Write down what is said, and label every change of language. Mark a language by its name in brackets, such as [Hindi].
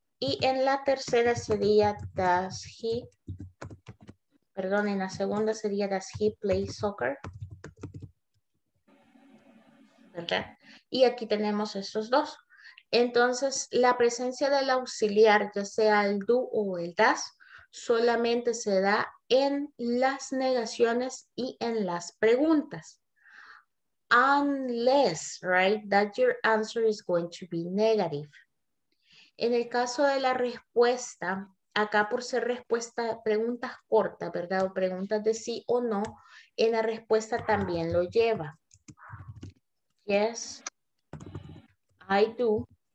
[Spanish] Y en la tercera sería does he, perdón, en la segunda sería [English] does he play soccer, [Spanish] ¿verdad? Y aquí tenemos estos dos. Entonces, la presencia del auxiliar, ya sea el do o el does, solamente se da en las negaciones y en las preguntas. [English] Unless, right, that your answer is going to be negative. [Spanish] En el caso de la respuesta, acá por ser respuesta, preguntas cortas, ¿verdad? O preguntas de sí o no, en la respuesta también lo lleva. [English] Yes, I do.